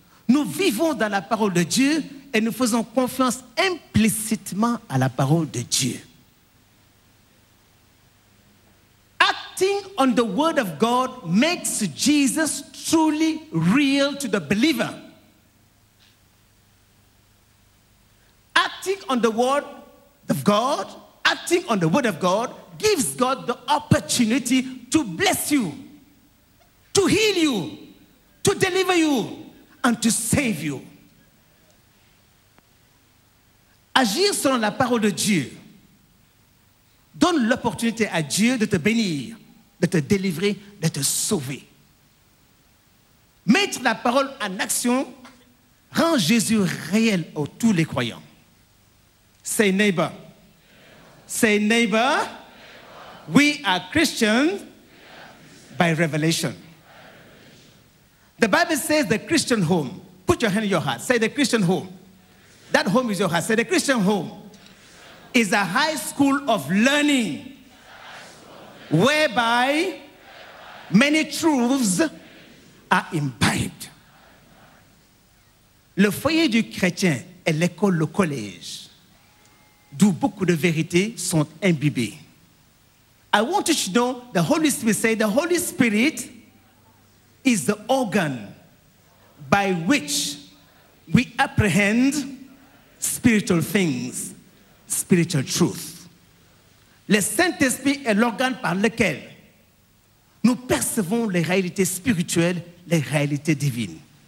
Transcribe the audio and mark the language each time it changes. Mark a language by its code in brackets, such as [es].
[fr] Nous vivons dans la parole de Dieu et nous faisons confiance implicitement à la parole de Dieu. [en] Acting on the word of God makes Jesus truly real to the believer. Acting on the word of God, acting on the word of God gives God the opportunity to bless you, to heal you, to deliver you, and to save you. [fr] Agir selon la parole de Dieu donne l'opportunité à Dieu de te bénir, de te délivrer, de te sauver. Mettre la parole en action rend Jésus réel à tous les croyants. [en] Say neighbor. Say neighbor. We are Christians by revelation. The Bible says the Christian home. Put your hand in your heart. Say the Christian home. That home is your heart. Say the Christian home is a high school of learning whereby many truths are imbibed. [fr] Le foyer du chrétien est l'école, le collège, d'où beaucoup de vérités sont imbibées. [en] I want you to know the Holy Spirit. Say the Holy Spirit is the organ by which we apprehend spiritual things, spiritual truth. [fr] Le Saint-Esprit est l'organe par lequel nous percevons les réalités spirituelles, les réalités divines.